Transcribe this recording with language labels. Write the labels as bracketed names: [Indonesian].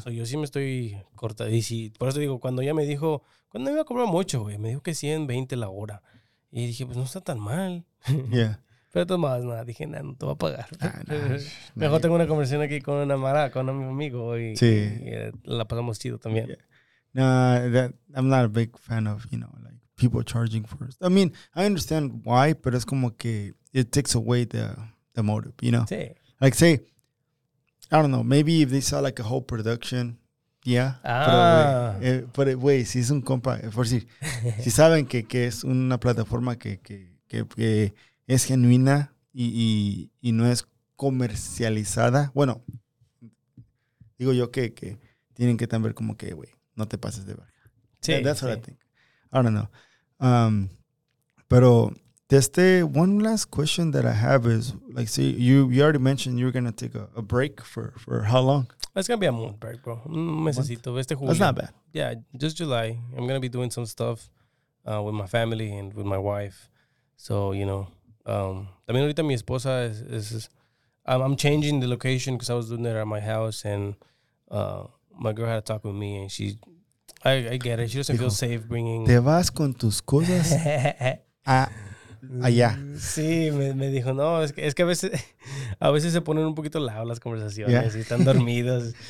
[Spanish] So, yo sí me estoy cortando. Y si, por eso digo, cuando ella me dijo, cuando me iba a cobrar mucho, güey, me dijo que 120 la hora. Y dije, pues no está tan mal. [English] Yeah. [Spanish] Pero tú más nada. Dije, nada, no te voy a pagar. Mejor tengo una conversación aquí con una mara, con mi amigo. Y, sí. Y la pasamos chido también. Yeah. [English] No, I'm not a big fan of, you know, like people charging for it. I mean, I understand why, pero es como que it takes away the motive, you know? [Spanish] Sí. [English] Like, say, I don't know, maybe if they saw like a whole production, yeah. Ah. [Spanish] Pero, güey, si es un compa, por si, si saben que es una plataforma que es genuina y no es comercializada, bueno, digo yo que tienen que también como que, güey, no te pases de verga. Sí. Yeah, [English] that's what [Spanish] sí. [English] I think. I don't know. Pero, desde, one last question that I have is, like, see, you already mentioned you're going to take a break for how long? It's going to be a month break, bro. [Spanish] Necesito. Este julio. [English] That's not bad. Yeah, just July. I'm going to be doing some stuff with my family and with my wife. So, you know, también ahorita mi esposa I'm changing the location because I was doing it at my house and, my girl had a talk with me and she, I get it. She doesn't feel safe bringing. [Spanish] Te vas con tus cosas allá. Sí, me dijo, no, es que a veces se ponen un poquito loud las conversaciones, yeah. Y están dormidos.